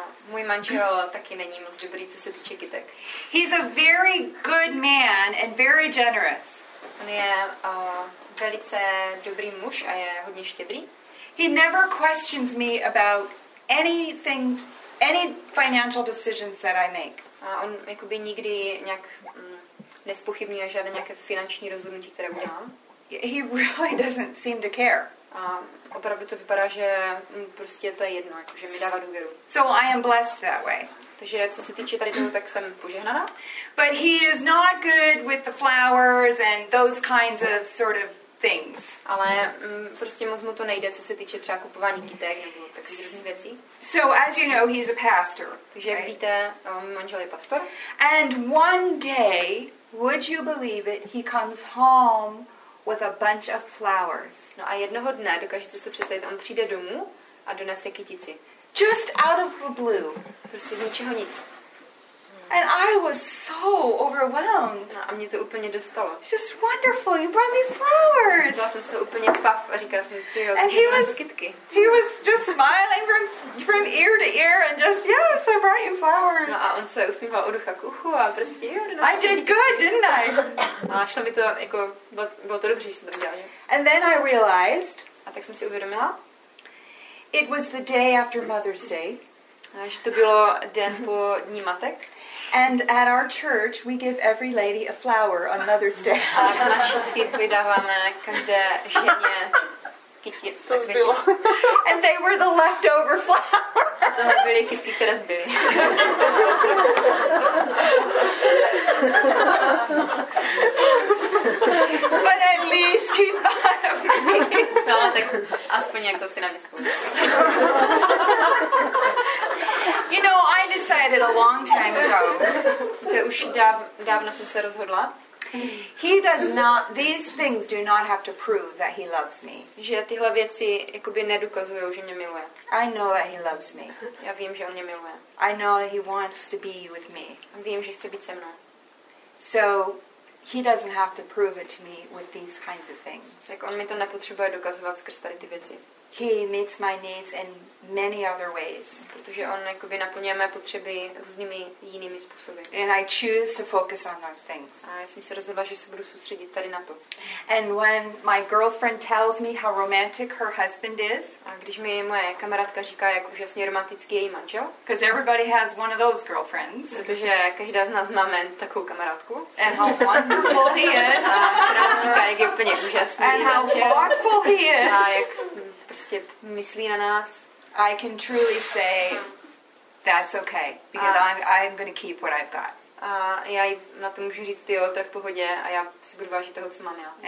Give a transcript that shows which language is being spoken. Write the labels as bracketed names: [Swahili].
[Czech] Můj manžel taky není moc dobrý, co se týče kytek. [English] He's a very good man and very generous. [Czech] On je velice dobrý muž a je hodně štědrý. [English] He never questions me about anything, any financial decisions that I make. [Czech] A on jakoby nikdy nějak nespochybňuje žádné nějaké finanční rozhodnutí, které udělám. [English] He really doesn't seem to care. [Czech] A opravdu to vypadá, že prostě to je jedno, že mi dává důvěru. [English] So I am blessed that way. [Czech] Takže co se týče tady toho, tak jsem požehnaná. [English] But he is not good with the flowers and those kinds of sort of things. [Czech] Ale prostě moc mu to nejde, co se týče třeba kupování kytek nebo takových různých věcí. [English] So as you know, he's a pastor. [Czech] Takže jak víte, manžel je pastor. [English] And one day, would you believe it, he comes home with a bunch of flowers. [Czech] No a jednoho dne, dokážete si představit, on přijde domů a donese kytici. [English] Just out of the blue. [Czech] Prostě z ničeho nic. [English] And I was so overwhelmed. [Czech] No a mě to úplně dostalo. [English] It's just wonderful, you brought me flowers. [Czech] Dala jsem se úplně paf a říkala jsem, tyjo, and jsi měla kytky. [English] He was just smiling from ear to ear and just, yes, I brought you flowers. [Czech] No a on se usmíval od ucha k uchu a prostě, jo, donesl [English] I did good, didn't I? [Czech] No a šlo mi to, jako, bylo to dobře, že jsem to udělala. [English] And then I realized. [Czech] A tak jsem si uvědomila. [English] It was the day after Mother's Day. [Czech] Až to bylo den po dní matek. [English] And at our church we give every lady a flower on Mother's Day. [Czech] A v naší církvi dáváme každé ženě kytí. To už bylo. [English] And they were the leftover flowers. [Czech] A tohle byly kytky, které zbyly. [English] But at least he thought of me. [Czech] No, tak aspoň někdo si na mě vzpomněl. [English] You know, I decided a long time ago. [Czech] To už dávno jsem se rozhodla. [English] He does not. These things do not have to prove that he loves me. [Czech] Že tyhle věci jakoby nedokazují, že mě miluje. [English] I know that he loves me. [Czech] Já vím, že on mě miluje. [English] I know that he wants to be with me. [Czech] Vím, že chce být se mnou. [English] So he doesn't have to prove it to me with these kinds of things. [Czech] Tak on mi to nepotřebuje dokazovat skrz tady ty věci. [English] He meets my needs in many other ways. [Czech] Protože on jakoby naplňuje mé potřeby různými jinými způsoby. [English] And I choose to focus on those things. [Czech] A já jsem se rozhodla, že se budu soustředit tady na to. [English] And when my girlfriend tells me how romantic her husband is. [Czech] A když mi moje kamarádka říká, jak úžasně romantický je její manžel. [English] Because everybody has one of those girlfriends. [Czech] Protože každá z nás máme takovou kamarádku. [English] And how wonderful he is. [Czech] A která říká, jak je úplně úžasný. [English] And how thoughtful he is. [Czech] A jak prostě myslí na nás. [English] I can truly say that's okay because I'm going to keep what I've got. [Czech] Já na to můžu říct, jo, to je v pohodě a já si budu vážit toho, co mám já.